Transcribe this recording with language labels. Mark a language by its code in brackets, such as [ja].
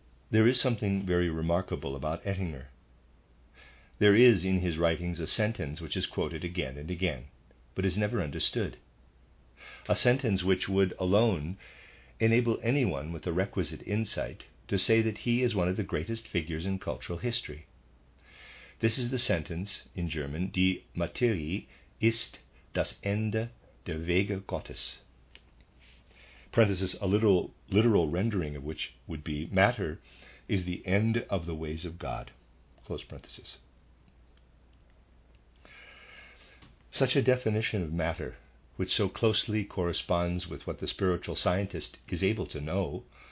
[en] There is something very remarkable about Ettinger. There is in his writings a sentence which is quoted again and again, but is never understood. A sentence which would alone enable anyone with the requisite insight to say that he is one of the greatest figures in cultural history. This is the sentence in German, [de] Die Materie ist das Ende der Wege Gottes. [en] Parenthesis, a literal rendering of which would be, matter is the end of the ways of God. Close parenthesis. Such a definition of matter, which so closely corresponds with what the spiritual scientist is able to know,